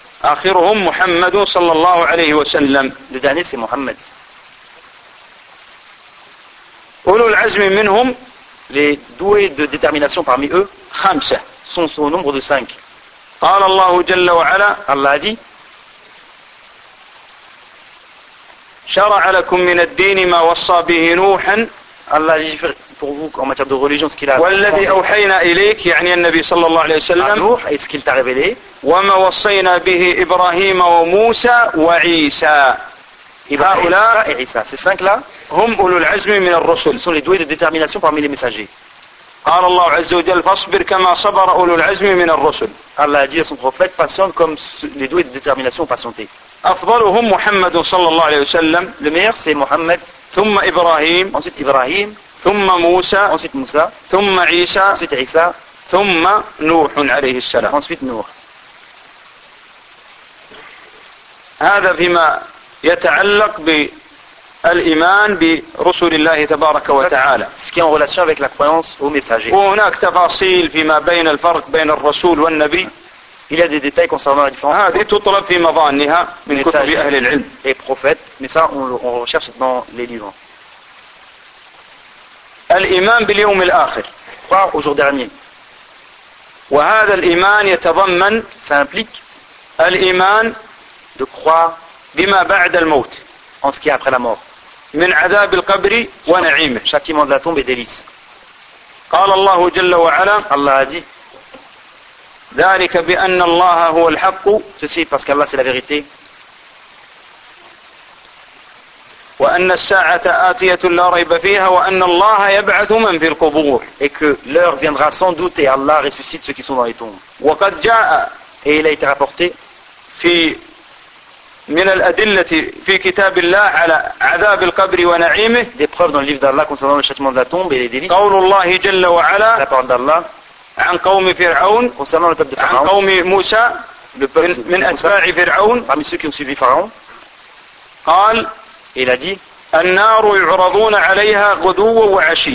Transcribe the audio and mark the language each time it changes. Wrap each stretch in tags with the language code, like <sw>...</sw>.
<ar>آخرهم محمد صلى الله عليه وسلم.</ar> <fr>Le dernier c'est محمد.</fr> <ar>أولو العزم منهم.</ar> <fr>Les doués de détermination parmi eux sont au nombre de 5. Allah a dit:</fr> <ar>شَرَعَ لَكُم مِنَ الدِّينِ مَا وَصَّى بِهِ نُوحًا.</ar> <fr>Allah a dit pour vous en matière de religion ce qu'il a</fr> <ar>وَالَّذِي أَوْحَيْنَا إِلَيْكَ يعني النبي صلى الله عليه وسلم</ar> <fr>نوح et ce qu'il t'a révélé</fr> <ar>وَمَا وَصَّيْنَا بِهِ إِبْرَاهِيمَ وَمُوسَى وَعِيسَى. هؤلاء</ar> <fr>ces 5 là</fr> <ar>هم أولو العزم من الرسل.</ar> <fr>Sont les doués de détermination parmi les messagers.</fr> <ar>قال الله عز وجل فاصبر كما صبر أولو العزم من الرسل.</ar> <fr>Allah a dit à son prophète patiente comme les doués de détermination patienté.</fr> <ar>أفضلهم محمد صلى الله عليه وسلم.</ar> <fr>Le meilleur c'est Mohammed.</fr> <ar>ثم إبراهيم.</ar> <fr>Ensuite Ibrahim.</fr> <ar>ثم موسى.</ar> <fr>Ensuite Moussa.</fr> <ar>ثم عيسى.</ar> <fr>Ensuite عيسى.</fr> <ar>ثم نوح عليه السلام.</ar> <fr>Ensuite Noah.</fr> <ar>هذا فيما يتعلق بالإيمان برسول الله تبارك وتعالى.</ar> <fr>Ce qui est en relation avec la croyance au messager.</fr> <ar>وهناك تفاصيل فيما بين الفرق بين الرسول والنبي.</ar> <fr>Il y a des détails concernant la différence.</fr> <ar>هذه تطلب في مظانها من كتب أهل العلم.</ar> <fr>Les prophètes, mais ça on recherche dans les livres.</fr> <ar>الإيمان باليوم الآخر.</ar> <fr>Croire au jour dernier.</fr> <ar>وهذا الإيمان يتضمن.</ar> <fr>Ça implique.</fr> <ar>الإيمان.</ar> <fr>De croire.</fr> <ar>بما بعد الموت.</ar> <fr>En ce qui est après la mort.</fr> <ar>من عذاب القبر ونعيمه.</ar> <fr>Châtiment de la tombe et délice.</fr> <ar>قال الله جل وعلا.</ar> <fr>Allah a dit.</fr> <ar>ذلك بأن الله هو الحق.</ar> <fr>Ceci parce qu'Allah c'est la vérité.</fr> <ar>وأن الساعة آتية لا ريب فيها وأن الله يبعث من في القبور.</ar> <fr>Et que l'heure viendra sans doute et Allah ressuscite ceux qui sont dans les tombes.</fr> <ar>وقد جاء.</ar> <fr>Et il a été rapporté.</fr> <ar>في من الأدلة في كتاب الله على عذاب القبر ونعيمه.</ar> <fr>Des preuves dans le livre d'Allah concernant le châtiment de la tombe et les délices.</fr> <ar>قول الله جل وعلا.</ar> <fr>La parole d'Allah.</fr> <ar>عن قوم فرعون.</ar> <fr>Concernant le peuple de Pharaon.</fr> <ar>عن قوم موسى.</ar> <fr>Le peuple de</fr> <ar>من أتباع فرعون.</ar> <fr>Parmi ceux qui ont suivi Pharaon.</fr> <ar>قال.</ar> <fr>Il a dit.</fr> <ar>النار يعرضون عليها غدوا وعشية.</ar>